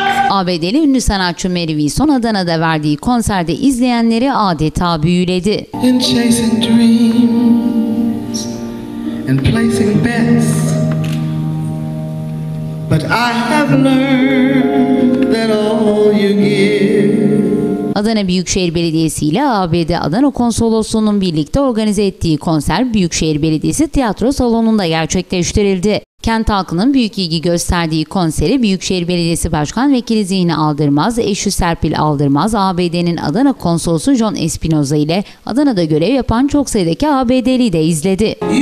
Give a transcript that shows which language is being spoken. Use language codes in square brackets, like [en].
[tr] ABD'li ünlü sanatçı Mary Wilson Adana'da verdiği konserde izleyenleri adeta büyüledi. [en] In chasing dreams and placing bets, but I have learned that all you give. [tr] Adana Büyükşehir Belediyesi ile ABD Adana Konsolosluğu'nun birlikte organize ettiği konser Büyükşehir Belediyesi Tiyatro Salonu'nda gerçekleştirildi. Kent halkının büyük ilgi gösterdiği konseri Büyükşehir Belediyesi Başkan Vekili Zihni Aldırmaz, eşi Serpil Aldırmaz, ABD'nin Adana Konsolosu John Espinoza ile Adana'da görev yapan çok sayıdaki ABD'li de izledi.